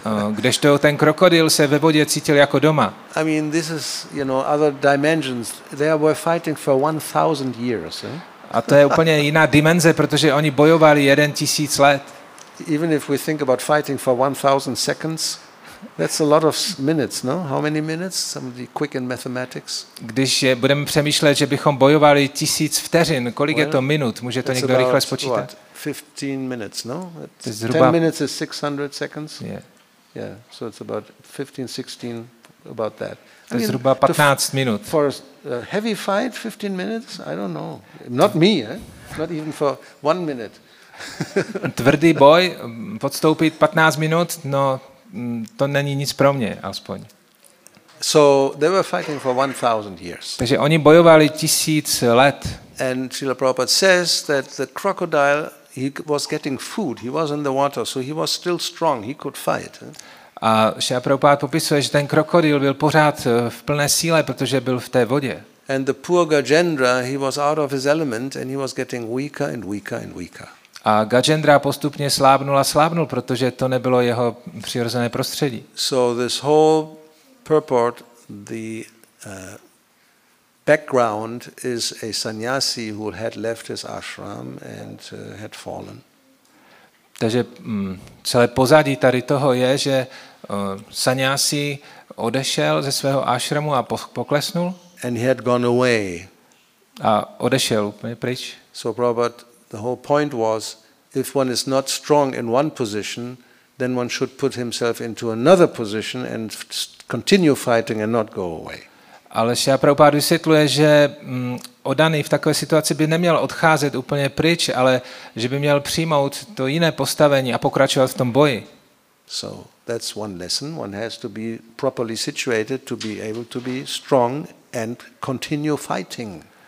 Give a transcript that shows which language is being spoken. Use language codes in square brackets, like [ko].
[cs] Kdežto ten krokodýl se ve vodě cítil jako doma. [en] I mean, this is, you know, other dimensions. They were fighting for 1000 years. [cs] A to je úplně jiná dimenze, protože oni bojovali 1000 let. [en] Even if we think about fighting for 1000 seconds, that's a lot of minutes, no? How many minutes? Somebody quick in mathematics. [cs] Když budeme přemýšlet, že bychom bojovali 1000 vteřin, kolik je to minut? Může to někdo rychle spočítat? [en] 15 minutes, no? 10 minutes is 600 seconds. Yeah. Yeah. So it's about 15-16 about that. [cs] To je zhruba 15 minut. [en] For a heavy fight 15 minutes? I don't know. Not me, eh? Not even for 1 minute. [cs] Tvrdý boj podstoupit 15 minut, no to není nic pro mě, aspoň. [en] So they were fighting for 1000 years. [cs] Takže oni bojovali 1000 let. [en] And Srila Prabhupada says that the crocodile, he was getting food, he was in the water, so he was still strong, he could fight. [cs] A Srila Prabhupada popisuje, že ten krokodýl byl pořád v plné síle, protože byl v té vodě. [en] And the poor Gajendra, he was out of his element and he was getting weaker and weaker and weaker. [cs] A Gajendra postupně slábnul a slábnul, protože to nebylo jeho přirozené prostředí. [en] So this whole purport, the background is a sannyasi who had left his ashram and had fallen. [cs] Takže celé pozadí tady toho je, že sannyasi odešel ze svého ashramu a poklesnul. [en] And he had gone away. [cs] A odešel úplně pryč. [en] So Prabhupada, the whole point was, if one is not strong in one position, then one should put himself into another position and continue fighting and not go away. [cs] Ale Srila Prabhupada vysvětluje, že oddaný v takové situaci by neměl odcházet úplně pryč, ale že by měl přijmout to jiné postavení a pokračovat v tom boji. [en] So that's one lesson. One has to be properly situated to be able to be strong and continue fighting.